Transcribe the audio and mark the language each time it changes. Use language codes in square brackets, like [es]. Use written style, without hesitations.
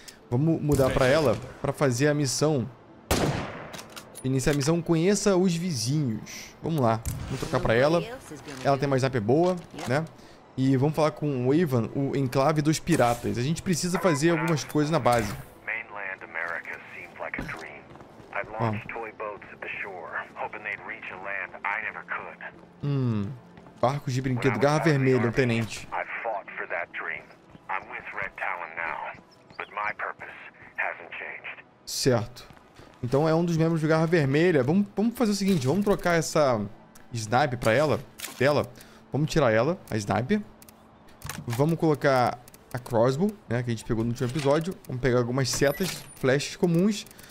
[pt] Vamos mudar pra ela, pra fazer a missão. Iniciar a missão, conheça os vizinhos. Vamos lá, vamos trocar pra ela. Ela tem uma zap boa, né? E vamos falar com o Ivan, o enclave dos piratas. A gente precisa fazer algumas coisas na base. [en] Mainland America seems like a dream. I launched toy boats at the shore, hoping they'd reach a land I never could. [pt] Barcos de brinquedo, garra vermelha, um tenente. [en] I fought for that dream. I'm with Red Talon now, but my purpose hasn't changed. [pt] Certo. Então é um dos membros de garra vermelha. Vamos fazer o seguinte, vamos trocar essa snipe para ela, dela. Vamos tirar ela, a sniper. Vamos colocar a crossbow, né? Que a gente pegou no último episódio. Vamos pegar algumas setas, flashes comuns.